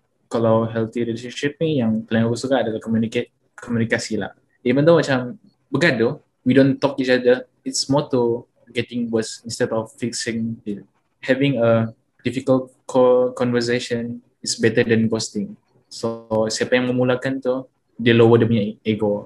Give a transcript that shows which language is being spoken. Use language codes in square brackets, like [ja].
[ms] Kalau healthy relationship ni yang paling aku suka adalah komunikasi lah. [en] Even though [ms] macam bergaduh, [en] we don't talk each other, it's more to getting worse instead of fixing it. Having a difficult conversation is better than ghosting. [ms] So siapa yang memulakan tu, dia lower dia punya ego.